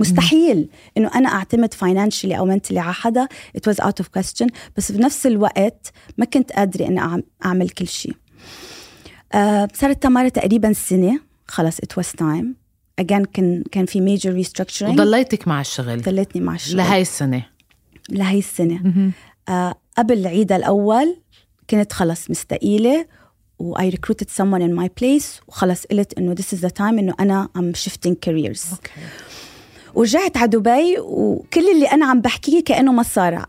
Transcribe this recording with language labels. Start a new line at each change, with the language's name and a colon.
Arabic: مستحيل إنه أنا أعتمد financially أو mentally على حدا،
English: it was out of question.
Arabic: بس بنفس الوقت ما كنت قادرة إني أعمل كل شيء. صارت تمارة تقريبا سنة خلاص
English: it was time again.
Arabic: كان في major restructuring. وضليتك مع الشغل؟ ضليتني مع الشغل لهاي السنة. لهاي السنة. قبل عيد الأول كنت خلاص مستقيلة و
English: I recruited someone in my place
Arabic: وخلاص قلت إنه
English: this is the time
Arabic: إنه أنا
English: I'm shifting careers. okay.
Arabic: ورجعت على دبي وكل اللي أنا عم بحكيه كأنه ما صار.